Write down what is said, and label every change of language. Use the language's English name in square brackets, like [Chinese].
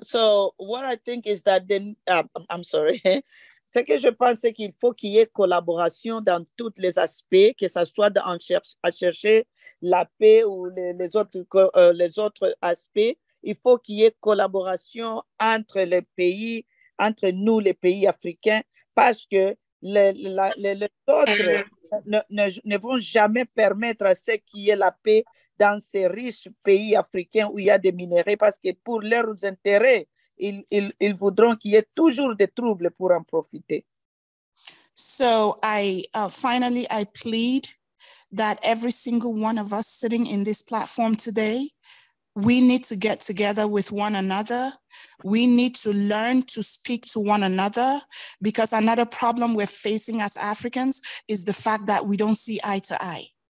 [English] So what I think is that then, I'm sorry. [French] Ce que je pense, c'est qu'il faut qu'il y ait collaboration dans tous les aspects, que ce soit à chercher la paix ou les autres aspects. Il faut qu'il y ait collaboration entre les pays, entre nous, les pays africains, parce que les autres ne vont jamais permettre à ce qu'il y ait la paix dans ces riches pays africains où il y a des minéraux, parce que pour leurs intérêts, ils voudront qu'il y ait toujours des troubles pour en profiter. [English] So I plead that every single one of us sitting in this platform today, we need to get together with one another. We need to learn to speak to one another, because another problem we're facing as Africans is the fact that we don't see eye to eye.